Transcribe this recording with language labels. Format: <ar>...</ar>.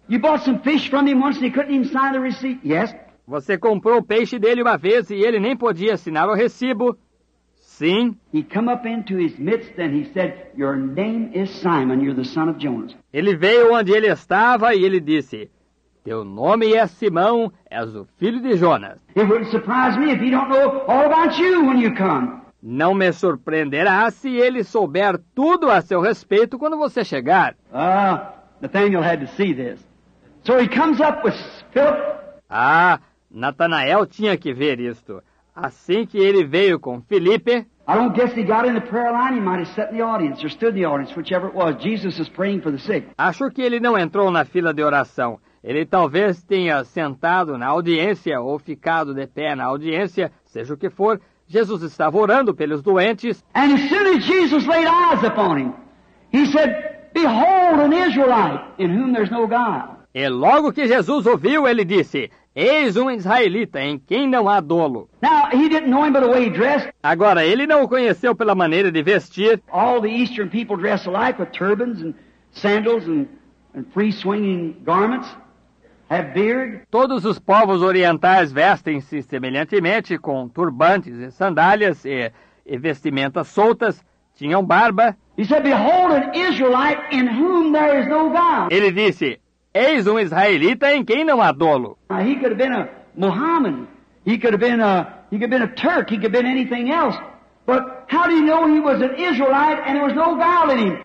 <en>You bought some fish from him once and he couldn't even sign the receipt. Yes.</en> <pt>Você comprou o peixe dele uma vez e ele nem podia assinar o recibo. Sim.</pt> <en>He came up into his midst and he said, "Your name is Simon, you're the son of Jonas."</en> <pt>Ele veio onde ele estava e ele disse: "Teu nome é Simão, és o filho de Jonas."</pt> <en>It wouldn't surprise me if he don't know all about you when you come.</en> <pt>Não me surpreenderá se ele souber tudo a seu respeito quando você chegar.</pt> <en>Ah, Nathanael had to see this. So he comes up with Philip.</en> <pt>Ah, Natanael tinha que ver isto. Assim que ele veio com Felipe.</pt> <en>I don't guess he got in the prayer line. He might have sat in the audience or stood in the audience, whichever it was. Jesus is praying for the sick.</en> <pt>Acho que ele não entrou na fila de oração. Ele talvez tenha sentado na audiência ou ficado de pé na audiência, seja o que for. Jesus estava orando pelos doentes.</pt> <en>And as soon as Jesus laid eyes upon him, he said, "Behold an Israelite in whom there's no guile."</en> <pt>E logo que Jesus ouviu, ele disse: "Eis um israelita em quem não há dolo."</pt> <en>Now, he didn't know him by the way he dressed.</en> <pt>Agora, ele não o conheceu pela maneira de vestir.</pt> <en>All the Eastern people dress alike with turbans and sandals and free-swinging garments. Have beard.</en> <pt>Todos os povos orientais vestem-se semelhantemente com turbantes e sandálias e vestimentas soltas, tinham barba.</pt> <en>He said, "Behold an Israelite in whom there is no guile."</en> <pt>Ele disse: "Eis um israelita em quem não há dolo."</pt> <en>He could have been a Mohammedan. He could have been a Turk. He could have been anything else. But how do you know he was an Israelite and there was no guile in him?</en>